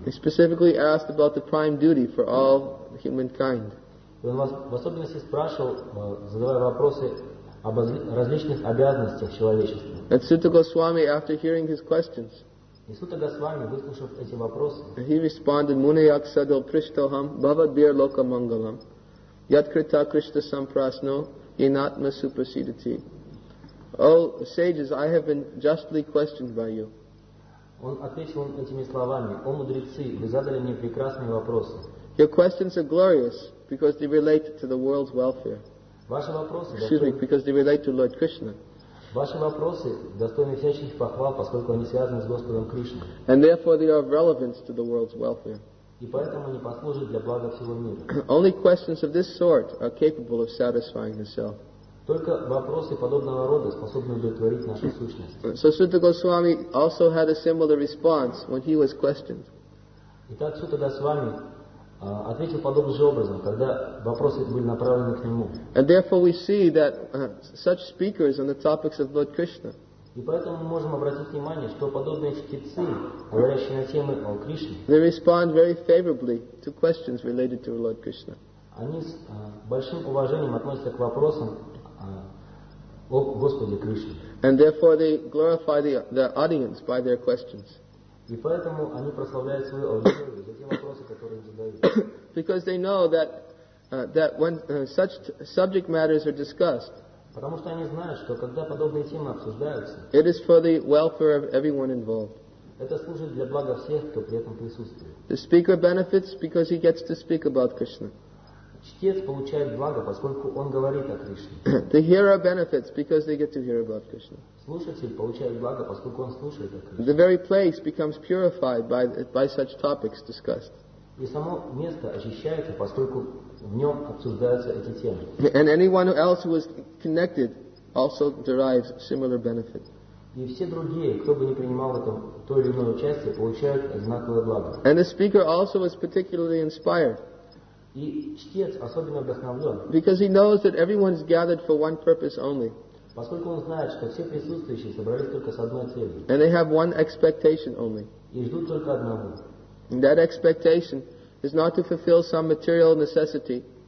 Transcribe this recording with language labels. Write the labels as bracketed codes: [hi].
[en] He specifically asked about the prime duty for all humankind. [ru] Он в особенности спрашивал, задавая вопросы об различных обязанностях человечества. [en] And Сути Госвами, after hearing his questions, he responded, [sa] Munayak Sadal Prishtoham Bhavadbir Loka Mangalam Yatkrita Krishna Samprasno Yenatma Supersedati. [en] O sages, I have been justly questioned by you. [ru] Он ответил этими словами, о мудрецы, вы задали мне прекрасные вопросы. [en] Your questions are glorious because they relate to the world's welfare. [ru] Ваши вопросы, [en] because they relate to Lord Krishna. [ru] Ваши вопросы достойны всяческих похвал, поскольку они связаны с Господом Кришной. [en] And therefore they are of relevance to the world's welfare. [ru] И поэтому они послужат для блага всего мира. [en] Only questions of this sort are capable of satisfying the self. [ru] Только вопросы подобного рода способны удовлетворить нашу сущность. [en] So Sutta Goswami also had a similar response when he was questioned. [ru] Итак, Сутта Госвами ответил подобным же образом, когда вопросы были направлены к нему. [en] And therefore we see that such speakers on the topics of Lord Krishna. [ru] И поэтому мы можем обратить внимание, что подобные чтецы, говорящие на темы о Кришне, [en] they respond very favorably to questions related to Lord Krishna. [ru] Они с большим уважением относятся к вопросам о Господе Кришне. [en] And therefore they glorify the audience by their questions. [ru] И поэтому они прославляют свою аудиторию за те вопросы, которые им задают. [en] Because they know that that when such subject matters are discussed, [ru] потому что они знают, что когда подобные темы обсуждаются, [en] it is for the welfare of everyone involved. [ru] Это служит для блага всех, кто при этом присутствует. [en] The speaker benefits because he gets to speak about Krishna. [ru] Чтец получает благо, поскольку он говорит о Кришне. [en] The hearer benefits because they get to hear about Krishna. [ru] Слушатель получает благо, поскольку он слушает о Кришне. [en] The very place becomes purified by such topics discussed. [ru] И само место очищается, поскольку в нем обсуждаются эти темы. [en] And anyone else who is connected also derives similar benefit. [ru] И все другие, кто бы ни принимал в этом то или иное участие, получают одинаковое благо. [en] And the speaker also is particularly inspired. [ru] И чтец особенно вдохновлен. [en] Because he knows that everyone is gathered for one purpose only. [ru] Поскольку он знает, что все присутствующие собрались только с одной целью. [en] And they have one expectation only. [ru] И ждут только одного. [en] And that expectation is not to fulfill some material necessity.